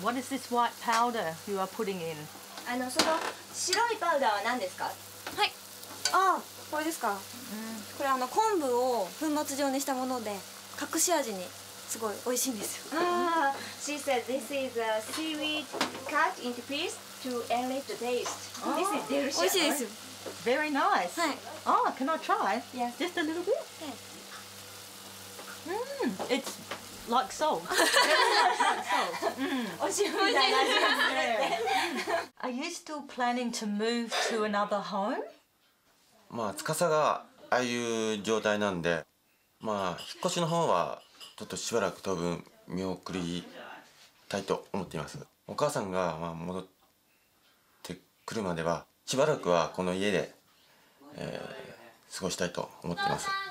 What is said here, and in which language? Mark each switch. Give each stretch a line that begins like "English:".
English: What is this white powder you are putting in?
Japanese: その白いパウダーは何ですか？はい。ああ、これですか？これ昆布を粉末状にしたもので隠し味にすごい美味しいんですよ。
English: She said this is a seaweed cut into piece to enrich the taste. This is delicious.
Japanese: 美味しいですよ。
English: Very nice.
Japanese: はい。
English: Oh, can I try? Yes. Just a little bit? Yes. Mm, it's like salt. It's like salt.
Japanese: 美味しい。美味しい。
English: Are you still planning to move to another home?
Japanese: まあ、つかさがああいう状態なんで、まあ、引っ越しの方はちょっとしばらく当分見送りたいと思っています。お母さんが戻ってくるまではしばらくはこの家で、過ごしたいと思っています。